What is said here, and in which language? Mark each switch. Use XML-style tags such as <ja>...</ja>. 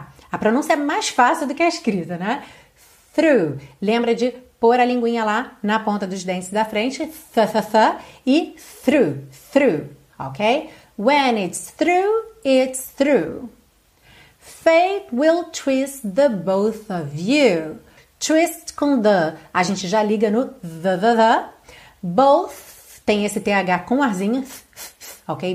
<pt>A pronúncia é mais fácil do que a escrita, né?</pt> <en>Through.</en> <pt>Lembra de pôr a linguinha lá na ponta dos dentes da frente, fa-fa-fa, e</pt> <en>through, through,</en> <pt>ok?</pt> <en>When it's through, fate will twist the both of you.</en> <pt>Twist com the, a gente já liga no the, both, tem esse TH com arzinho, ok?</pt>